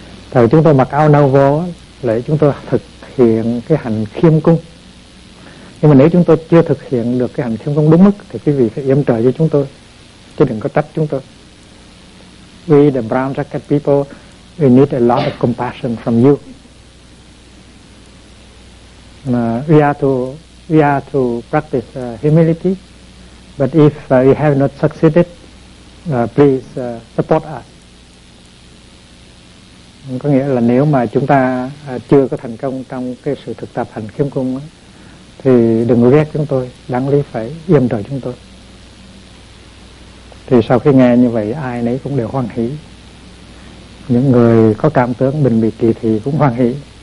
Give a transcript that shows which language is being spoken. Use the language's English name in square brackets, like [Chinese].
[Vietnamese] Thầy, chúng tôi mặc áo nâu vô để chúng tôi thực hiện cái hành khiêm cung. Nhưng mà nếu chúng tôi chưa thực hiện được cái hành khiêm cung đúng mức thì quý vị phải yểm trợ cho chúng tôi, chứ đừng có trách chúng tôi. [English] We the brown jacket people, we need a lot of compassion from you. We are to practice humility, but if we have not succeeded, please support us. [Vietnamese] Có nghĩa là nếu mà chúng ta chưa có thành công trong cái sự thực tập hành khiêm cung đó, thì đừng ghét chúng tôi, đáng lý phải yểm trợ chúng tôi. Thì sau khi nghe như vậy, ai nấy cũng đều hoan hỷ. Những người có cảm tưởng mình bị kỳ thị cũng hoan hỷ.